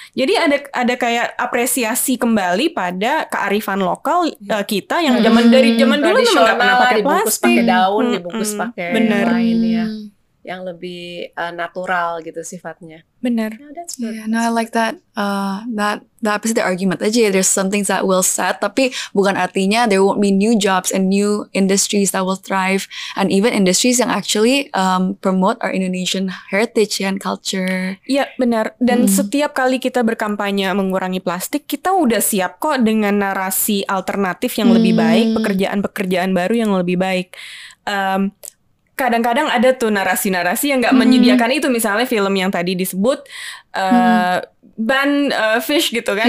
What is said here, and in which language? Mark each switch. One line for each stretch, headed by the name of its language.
Indonesian: Jadi ada kayak apresiasi kembali pada kearifan lokal kita yang zaman dari zaman dulu memang nggak pernah pakai plastik. Dibungkus pakai daun, dibungkus pakai yang lain ya. Yang lebih natural gitu sifatnya. Benar.
English: No, yeah, no, I like that. That opposite the argument
Indonesian: aja.
English: There's something that will set,
Indonesian: tapi bukan artinya
English: there won't be new jobs and new industries that will thrive and even industries
Indonesian: yang
English: actually promote our Indonesian heritage and culture.
Indonesian: Iya, yeah, benar. Dan setiap kali kita berkampanye mengurangi plastik, kita udah siap kok dengan narasi alternatif yang lebih baik, pekerjaan-pekerjaan baru yang lebih baik. Kadang-kadang ada tuh narasi-narasi yang gak menyediakan itu. Misalnya film yang tadi disebut ban fish gitu kan.